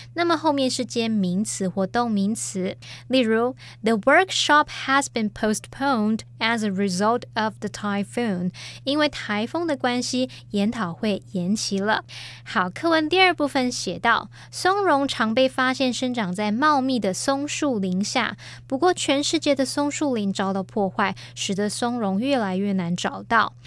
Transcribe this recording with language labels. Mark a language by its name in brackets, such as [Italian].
[Chinese] 那么后面是接名词或动名词。例如 [English] ,The workshop has been postponed as a result of the typhoon. [Chinese] 因为台风的关系，研讨会延期了。好，课文第二部分写到，松茸常被发现生长在茂密的松树林下。不过全世界的松树林遭到破坏，使得松茸越来越难找到。